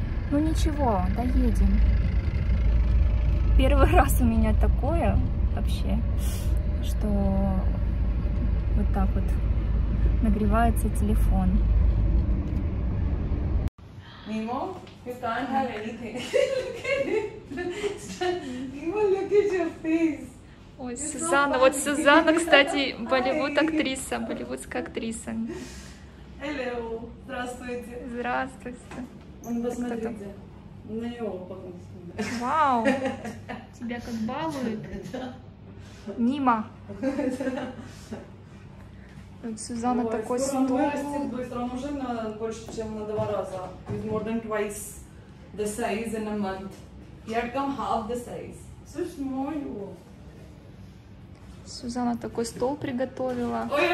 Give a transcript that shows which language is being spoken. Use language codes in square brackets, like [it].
[ru] Ну ничего, доедем. Первый раз у меня такое вообще, что вот так вот нагревается телефон. [en] Мимо, you can't have anything. Look at it. Мимо, look at your face. [ru] Ой, Сюзанна, вот Сюзанна, кстати, болливудская актриса. [en] Hello, [ru] здравствуйте. Здравствуйте. Посмотрите, на него похоже. Вау, тебя как балуют. Мимо. Вот Сюзанна такой стул. Скоро он вырастет быстро, он уже больше, чем на два раза. [en] With more than twice the size in a month. He had come half the size. [ru] Слушай, мой его. Сюзанна такой стол приготовила.